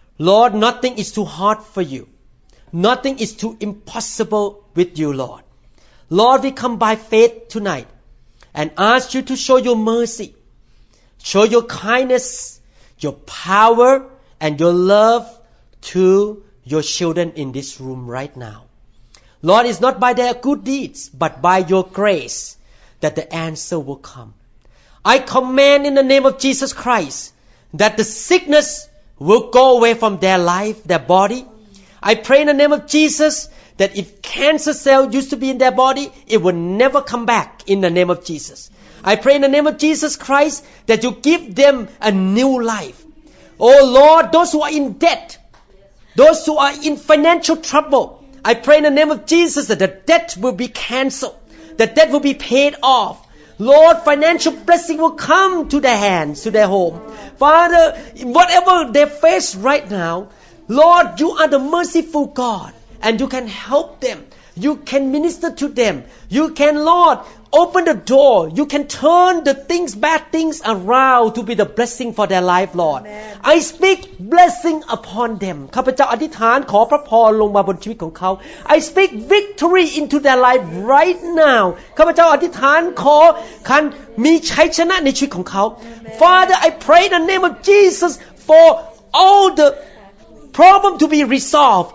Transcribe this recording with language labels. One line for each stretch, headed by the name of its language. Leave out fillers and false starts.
English: Lord nothing is too hard for you nothing is too impossible with you LordLord, we come by faith tonight and ask you to show your mercy, show your kindness, your power, and your love to your children in this room right now. Lord, it's not by their good deeds, but by your grace that the answer will come. I command in the name of Jesus Christ that the sickness will go away from their life, their body. I pray in the name of Jesus that if cancer cell used to be in their body, it will never come back in the name of Jesus. I pray in the name of Jesus Christ that you give them a new life. Oh Lord, those who are in debt, those who are in financial trouble, I pray in the name of Jesus that the debt will be canceled, that debt will be paid off. Lord, financial blessing will come to their hands, to their home. Father, whatever they face right now, Lord, you are the merciful God and you can help them. You can minister to them. You can, Lord, open the door. You can turn the things, bad things around to be the blessing for their life, Lord. Amen. I speak blessing upon them.
Thai: ข้าพเจ้าอธิษฐานขอพระพรลงมาบนชีวิตของเขา
English: I speak victory into their life right now.
Thai: ข้าพเจ้าอธิษฐานขอการมีชัยชนะในชีวิตของเขา
English: Father, I pray in the name of Jesus for all the problem to be resolved.